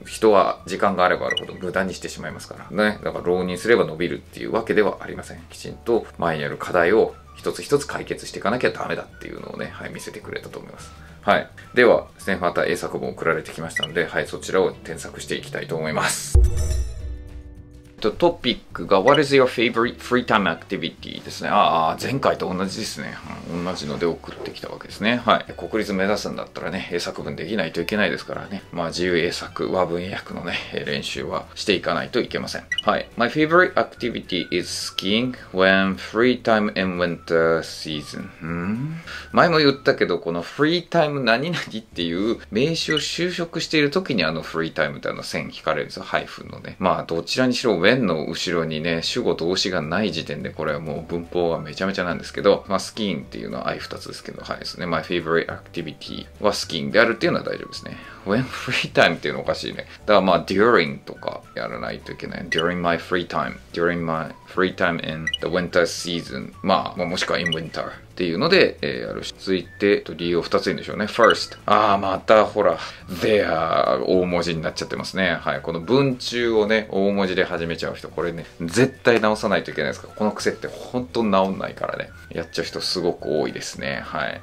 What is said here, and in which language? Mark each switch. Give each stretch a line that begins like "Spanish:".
Japanese: 人は時間があればあるほど無駄にしてしまいますからね。だから浪人すれば伸びるっていうわけではありません。きちんと前にある課題を一つ一つ解決していかなきゃダメだっていうのをね、はい、見せてくれたと思います。はい、ではですね、また英作文送られてきましたので、はい、そちらを添削していきたいと思います。トピックが
English: What is your favorite free time activity
Japanese: ですね。ああ、前回と同じですね、うん。同じので送ってきたわけですね。はい。国立目指すんだったらね、英作文できないといけないですからね。まあ、自由英作、和文英訳のね、練習はしていかないといけません。はい。
English: My favorite activity is skiing when free time in winter season.
Japanese: 前も言ったけど、この free time 何々っていう名詞を修飾している時にあの free time ってあの線引かれるんですよ。ハイフンのね。まあ、どちらにしろ when の後ろにね、主語動詞がない時点で、これはもう文法がめちゃめちゃなんですけど、まあ、skiing っていうのは I2 つですけど、はいですね。
English: My favorite activity
Japanese: は skiing であるっていうのは大丈夫ですね。
English: when free time
Japanese: っていうのおかしいね。だからまあ、during とかやらないといけない。
English: during my free time, during my free time in the winter season.
Japanese: まあ、もしくは in winter っていうので、やるし。続いて、理由を2ついいんでしょうね。
English: first.
Japanese: ああ、またほら、there 大文字になっちゃってますね。はい。この文中をね、大文字で始めちゃう人、これね、絶対直さないといけないですから。この癖って本当直んないからね。やっちゃう人すごく多いですね。はい。